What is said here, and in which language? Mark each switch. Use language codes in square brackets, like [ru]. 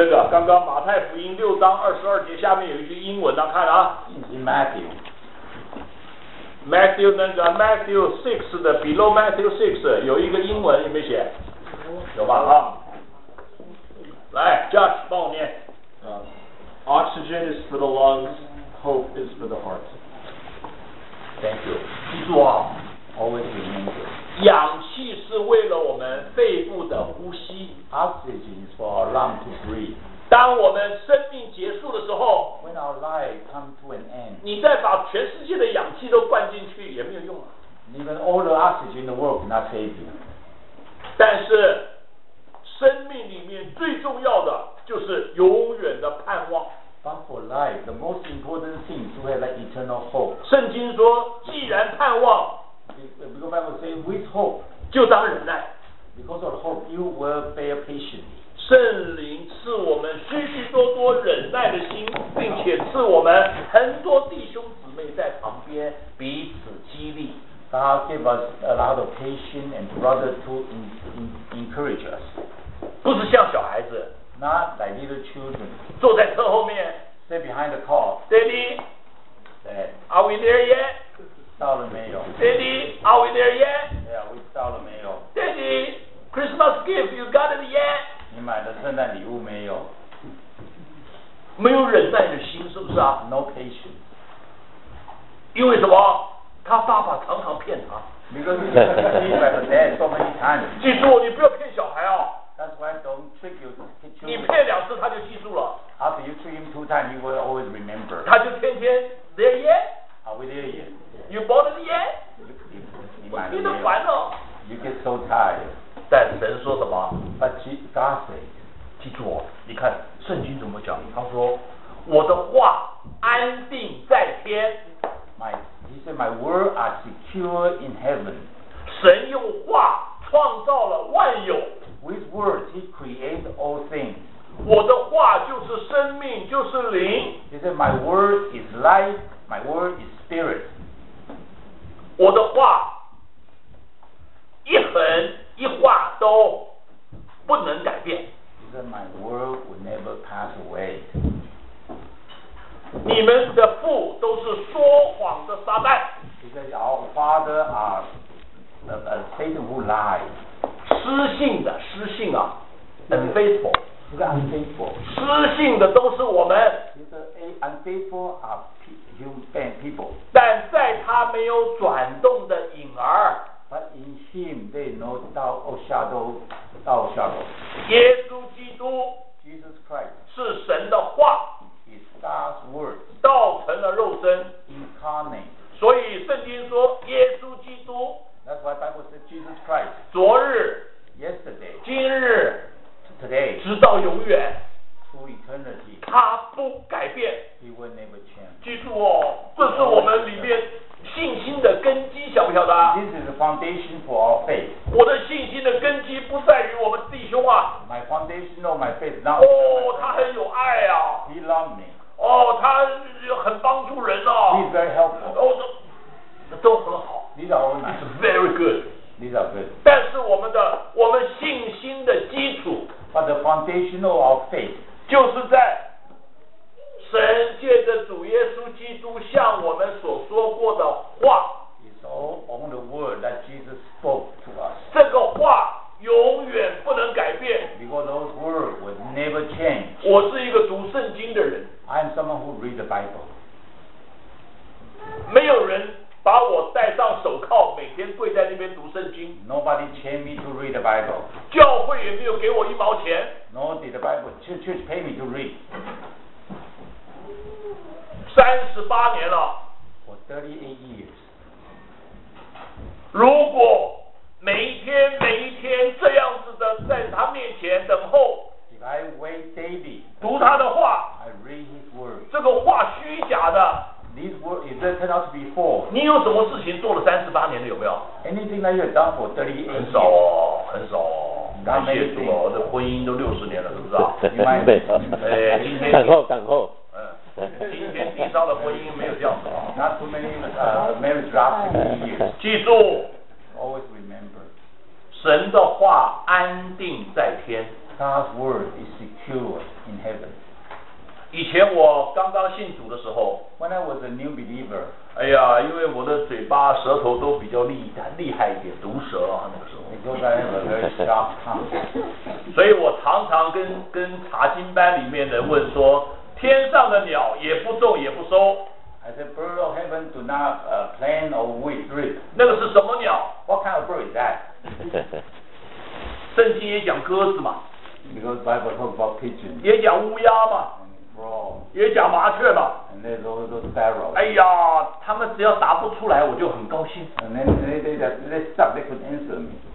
[zh] 刚刚马太福音六章二十二节下面有一句英文的，看啊 [en] Matthew [zh] 那个 Matthew 6的 [en] below [zh] Matthew 6有一个英文，有没有写？有吧啊，来 Josh 帮我念。 [en] Oxygen is for the lungs, hope is for the heart. Thank you. [zh] 记住啊， [en] always remember. [zh] 氧气是为了我们肺部的呼吸。 [en] Oxygen is for our lung to breathe. [zh] 当我们生命结束的时候， [en] When our life comes to an end, [zh] 你再把全世界的氧气都灌进去也没有用啊。 [en] Even all the oxygen in the world cannot save you. [zh] 但是生命里面最重要的就是永远的盼望。 [en] But for life, the most important thing is to have an eternal hope. [zh] 圣经说，既然盼望， [en] Because Bible says with hope, [zh] 就当忍耐。 [en] Because of hope, you will bear patiently. [zh] 圣灵赐我们许许多多忍耐的心，并且赐我们很多弟兄姊妹在旁边彼此激励。 [en] God gave us a lot of patience and brother to encourage us. [zh] 不是像小孩子。 [en] Not like little children. [zh] 坐在车后面。 [en] Stay behind the car. Daddy. Dad. Are we there yet? [zh] 到了没有。 [en] Daddy, are we there yet? Yeah, we [zh] 到了没有。 [en] Daddy, Christmas gift, you got it yet? [zh] 你买的圣诞礼物没有？没有忍耐的心，是不是啊？ [en] No patience. [zh] 因为什么？他爸爸常常骗他。记住，你不要骗小孩啊。 [en] That's why don't trick you. [zh] 你骗两次他就记住了。 [en] After you trick him two times, he will always remember. [zh] 他就天天 [en] there yet? Are we there yet? You bought it yet? [zh] 你都烦了。 [en] You get so tired. [zh] 但神说什么？ [en] But God said, [zh] 记住哦，你看圣经怎么讲？他说，我的话安定在天。 [en] He said, my word are secure in heaven. [zh] 神用话创造了万有。 [en] With words, he created all things. [zh] 我的话就是生命，就是灵。 [en] He said, my word is life, my word is spirit. [zh] 我的话一横一画都不能改变。 [en] He said, my word will never pass away. [zh] 你们的父都是说谎的撒旦。 [en] He said, our father are a Satan who lies. [zh] 失信的，失信啊。 [en] Unfaithful. He's unfaithful. [zh] 失信的都是我们。 [en] He said, unfaithful are human people. [zh] 但在他没有转动的影儿。 [en] But in him, they know doubt or shadow, doubt or shadow. [zh] 耶稣基督。 [en] Jesus Christ. [zh] 是神的话。 [en] God's word [zh] 道成了肉身 [en] incarnate， [zh] 所以圣经说耶稣基督 [en] That's why Bible says Jesus Christ [zh] 昨日 [en] yesterday [zh] 今日 [en] today [zh] 直到永远 [en] to eternity [zh] 他不改变 [en] He will never change [zh] 记住哦，这是我们里面信心的根基，晓不晓得？ [en] This is the foundation for our faith。 [zh] 我的信心的根基不在于我们弟兄啊。 [en] My foundation or my faith now。 [zh] 哦，他很有爱啊。 [en] He loved me。 [zh] 哦，他很帮助人啊。 [en] He's very helpful。 [zh] 哦，都很好。 [en] These are all nice。 It's very good。 These are good。 [zh] 但是我们信心的基础。 [en] But the foundation of our faith。 [zh] 就是在神借着主耶稣基督向我们所说过的话。 [en] It's all on the word that Jesus spoke to us。 [zh] 这个话永远不能改变。 [en] Because those words would never change。 [zh] 我是一个读圣经的人。 [en] I'm someone who reads the Bible. [zh] 没有人把我戴上手铐，每天跪在那边读圣经。 [en] Nobody chained me to read the Bible. [zh] 教会也没有给我一毛钱。 [en] No, did the Bible church pay me to read? [zh] 38年了。 [en] For 38 years. [zh] 如果每一天每一天这样子的在他面前等候。 [en] I wait daily. [zh] 读他的话。 [en] I read his word. [zh] 这个话虚假的。 [en] This word is turned out to be false. [zh] 你有什么事情做了38年的有没有？ [en] Anything that you have done for 38 years? [zh] 很少哦，很少哦。感谢主哦，这婚姻都60年了，是不是啊？没有。哎，今天。等候，等候。今天地上的婚姻没有这样子啊。 [en] Not too many marriage lasts 3 years. [zh] 记住。 [en] Always remember. [zh] 神的话安定在天。 [en] God's word is secure in heaven. [zh] 以前我刚刚信主的时候 [en] When I was a new believer [zh] 哎呀因为我的嘴巴舌头都比较厉害一点毒舌啊那个时候 [en] Because I have a very sharp tongue [zh] 所以我常常跟查经班里面的人问说天上的鸟也不种也不收 [en] I said bird of heaven do not plant or weed reap [zh] 那个是什么鸟 [en] What kind of bird is that? [zh] 圣经也讲鸽子嘛 [en] Because Bible talks about pigeons [zh] 也讲乌鸦嘛也讲麻雀嘛 [en] and they go to sparrow [zh] 哎呀他们只要答不出来我就很高兴 [en] and then they stop they could answer me